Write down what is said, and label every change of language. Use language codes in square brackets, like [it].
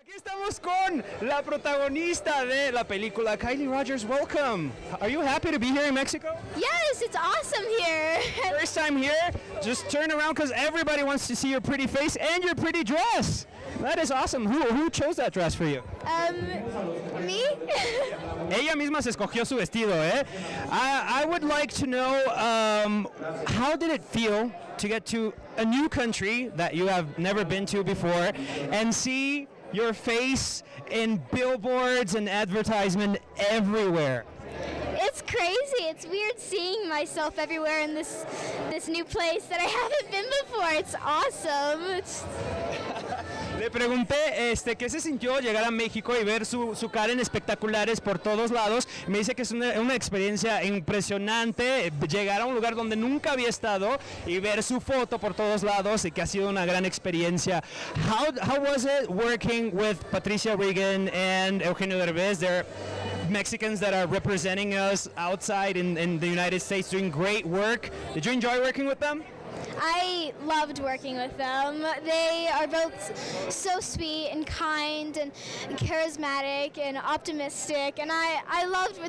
[es] estamos con la protagonista de la película, Kylie Rogers. [en] Welcome. Are you happy to be here in Mexico? Yes, it's awesome here. First time here? Just turn around because everybody wants to see your pretty face and your pretty dress. That is awesome. Who chose that dress for you? Me? [es] Ella misma se escogió su vestido, eh? [en] I would like to know, how did it feel to get to a new country that you have never been to before and see your face in billboards and advertisement everywhere? It's crazy. It's weird seeing myself everywhere in this new place that I haven't been before. It's awesome. [es] Le pregunté qué se sintió llegar a México y ver su cara en espectaculares por todos lados. Me dice que es una experiencia impresionante llegar a un lugar donde nunca había estado y ver su foto por todos lados y que ha sido una gran experiencia. [en] How was it working with Patricia Regan and Eugenio Derbez? They're Mexicans that are representing us outside in the United States doing great work. Did you enjoy working with them? I loved working with them. They are both so sweet and kind and charismatic and optimistic, and I loved them.